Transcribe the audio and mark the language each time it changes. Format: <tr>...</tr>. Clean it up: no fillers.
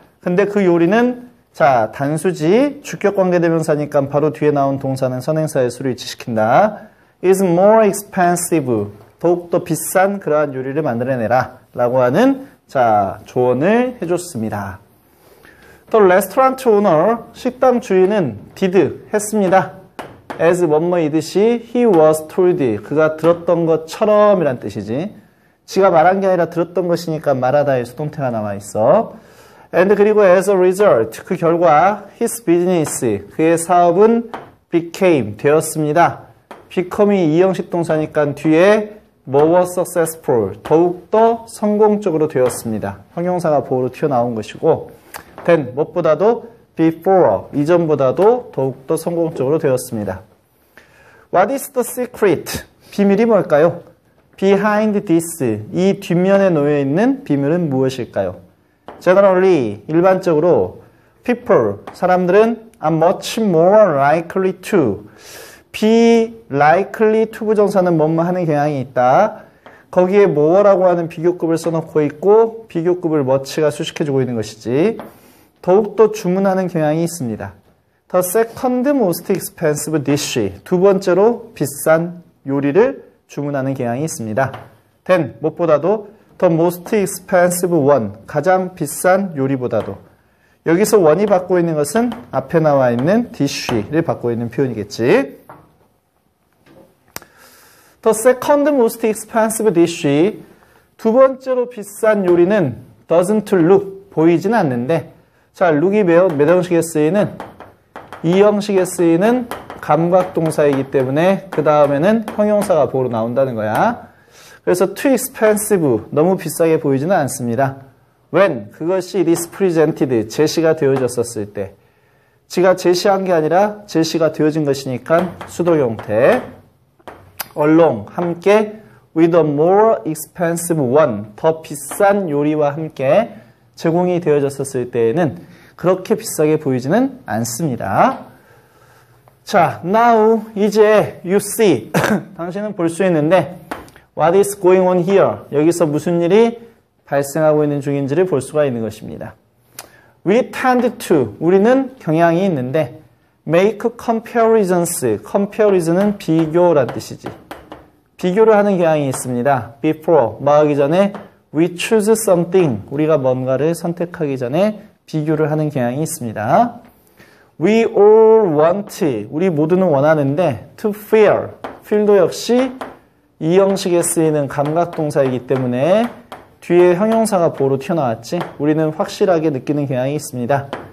<ko>근데 그 요리는, 자, 단수지, 주격 관계대명사니까 바로 뒤에 나온 동사는 선행사의 수를 일치시킨다.</ko> <en>is more expensive,</en> <ko>더욱더 비싼 그러한 요리를 만들어내라. 라고 하는, 자, 조언을 해줬습니다.</ko> <en>The restaurant owner,</en> <ko>식당 주인은</ko> <en>did,</en> <ko>했습니다. as 뭐뭐이듯이</ko> <en>he was told,</en> <ko>그가 들었던 것처럼 이란 뜻이지. 지가 말한 게 아니라 들었던 것이니까 말하다의 수동태가 남아 있어. and 그리고</ko> <en>as a result,</en> <ko>그 결과</ko> <en>his business,</en> <ko>그의 사업은 became, 되었습니다. become이 이형식 동사니까 뒤에</ko> <en>more successful,</en> <ko>더욱더 성공적으로 되었습니다. 형용사가 보호로 튀어나온 것이고 then, 무엇보다도 before, 이전보다도 더욱더 성공적으로 되었습니다.</ko> <en>What is the secret?</en> <ko>비밀이 뭘까요?</ko> <en>Behind this,</en> <ko>이 뒷면에 놓여있는 비밀은 무엇일까요?</ko> <en>Generally,</en> <ko>일반적으로</ko> <en>people,</en> <ko>사람들은</ko> <en>are much more likely to. Be likely to</en> <ko>부정사는 뭐뭐 하는 경향이 있다. 거기에 뭐라고 하는 비교급을 써놓고 있고 비교급을 much가 수식해주고 있는 것이지. 더욱더 주문하는 경향이 있습니다.</ko> <en>The second most expensive dish.</en> <ko>두 번째로 비싼 요리를 주문하는 경향이 있습니다.</ko> <en>Then,</en> <ko>무엇보다도</ko> <en>the most expensive one.</en> <ko>가장 비싼 요리보다도. 여기서 one이 받고 있는 것은 앞에 나와 있는 dish를 받고 있는 표현이겠지.</ko> <en>The second most expensive dish.</en> <ko>두 번째로 비싼 요리는</ko> <en>doesn't look.</en> <ko>보이진 않는데. 자, look이 매장식에 쓰이는 이형식에 쓰이는 감각동사이기 때문에 그 다음에는 형용사가 보로 나온다는 거야. 그래서</ko> <en>too expensive,</en> <ko>너무 비싸게 보이지는 않습니다. When, 그것이</ko> <en>it is presented,</en> <ko>제시가 되어졌었을 때. 지가 제시한 게 아니라 제시가 되어진 것이니까 수동 형태. along, 함께</ko> <en>with a more expensive one,</en> <ko>더 비싼 요리와 함께 제공이 되어졌었을 때에는 그렇게 비싸게 보이지는 않습니다.</ko> <en>자, now,</en> <ko>이제,</ko> <en>you see.</en> <ko>당신은 볼수 있는데,</ko> <en>what is going on here?</en> <ko>여기서 무슨 일이 발생하고 있는 중인지를 볼 수가 있는 것입니다.</ko> <en>We tend to,</en> <ko>우리는 경향이 있는데,</ko> <en>make comparisons.</en> <ko>comparison은 비교란 뜻이지. 비교를 하는 경향이 있습니다.</ko> <en>before,</en> <ko>뭐 하기 전에,</ko> <en>we choose something.</en> <ko>우리가 뭔가를 선택하기 전에, 비교를 하는 경향이 있습니다.</ko> <en>We all want,</en> <ko>우리 모두는 원하는데,</ko> <en>to feel.</en> <ko>feel도 역시 이 형식에 쓰이는 감각동사이기 때문에 뒤에 형용사가 보로 튀어나왔지. 우리는 확실하게 느끼는 경향이 있습니다.</ko>